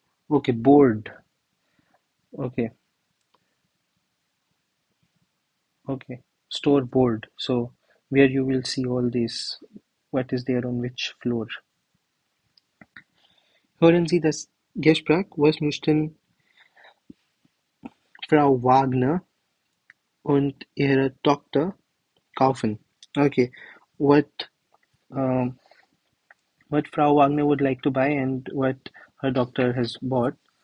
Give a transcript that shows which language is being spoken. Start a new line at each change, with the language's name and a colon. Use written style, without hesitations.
English: Okay, board. Okay, store board. So, where you will see all this, what is there on which floor?
German: Hören Sie das Gespräch? Was möchten Frau Wagner und ihre Tochter kaufen?
English: Okay, what Frau Wagner would like to buy and what her doctor has bought.